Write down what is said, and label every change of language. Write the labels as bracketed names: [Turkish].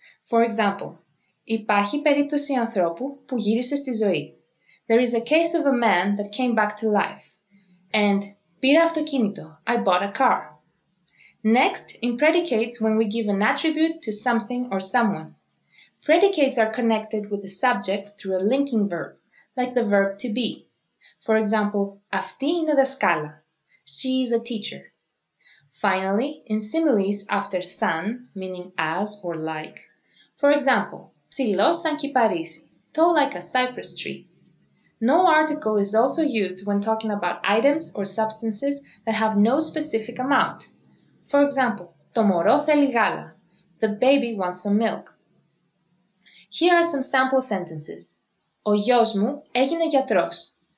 [English] For example, [Greek] υπάρχει περίπτωση ανθρώπου που γύρισε στη ζωή. [English] There is a case of a man that came back to life. And [Greek] πήρα αυτοκίνητο. [English] I bought a car. Next, in predicates, when we give an attribute to something or someone. Predicates are connected with the subject through a linking verb, like the verb to be. For example, αυτή είναι δασκάλα. She is a teacher. Finally, in similes, after σαν, meaning as or like. For example, [Greek] ψηλός σαν κυπαρίσι, [English] tall like a cypress tree. No article is also used when talking about items or substances that have no specific amount. For example, [Greek] το μωρό θέλει γάλα. [English] The baby wants some milk. Here are some sample sentences. [Greek] Ο γιος μου έγινε γιατρός.